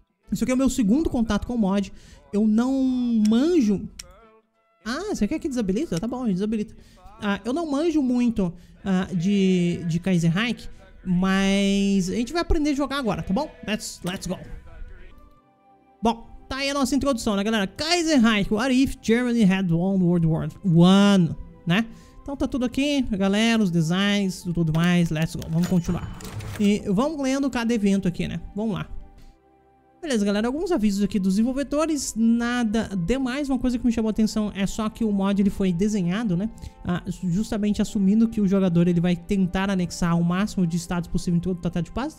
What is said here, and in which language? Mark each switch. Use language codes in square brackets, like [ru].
[pt] Isso aqui é o meu segundo contato com o mod. Eu não manjo... Ah, você quer que desabilita? Tá bom, desabilita. Eu não manjo muito de Kaiserreich, mas a gente vai aprender a jogar agora, tá bom? Let's go. Bom, tá aí a nossa introdução, né, galera? [en] Kaiserreich, what if Germany had won World War I, né? [pt] Então tá tudo aqui, galera, os designs, tudo mais, let's go, vamos continuar. E vamos lendo cada evento aqui, né? Vamos lá. Beleza, galera, alguns avisos aqui dos desenvolvedores, nada demais. Uma coisa que me chamou a atenção é só que o mod ele foi desenhado, né? Justamente assumindo que o jogador ele vai tentar anexar o máximo de estados possível em todo o Tratado de Paz.